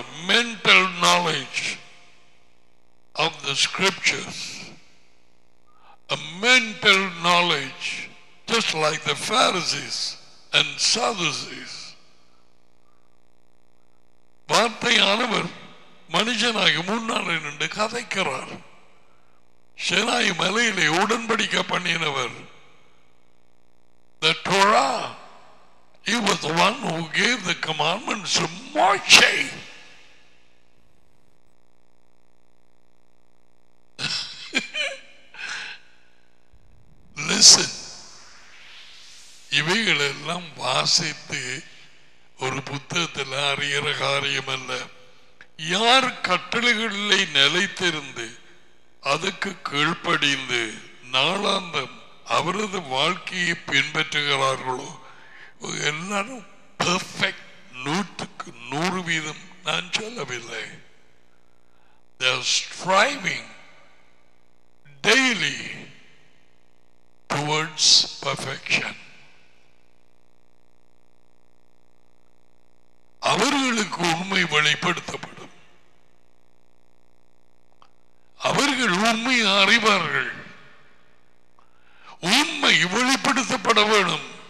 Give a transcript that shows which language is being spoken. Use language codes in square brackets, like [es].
[en] Mental knowledge of the scriptures, mental knowledge just like the Pharisees and Sadducees. [ta] வார்த்தையானவர் மனுஷனாகி முன்னாள் நின்று கதைக்கிறார். செனாய் மலையிலே உடன்படிக்கை பண்ணினவர் Torah. [en] He was the one who gave the commandments to Moshe. [ta] Medicine இவைகளெல்லாம் வாசித்து ஒரு புத்தகத்தில் அறிகிற காரியம் அல்ல. யார் கட்டளைகளிலே நிலைத்திருந்து அதுக்கு கீழ்ப்படிந்து நாளாந்தம் அவரது வாழ்க்கையை பின்பற்றுகிறார்களோ எல்லாரும் பெர்ஃபெக்ட் நூற்றுக்கு நூறு வீதம் நான் சொல்லவில்லை. [en] They are striving daily towards perfection. [ta] அவர்களுக்கு உண்மை வெளிப்படுத்தப்படும். அவர்கள் உண்மை அறிவார்கள். உண்மை வெளிப்படுத்தப்பட வேண்டும்.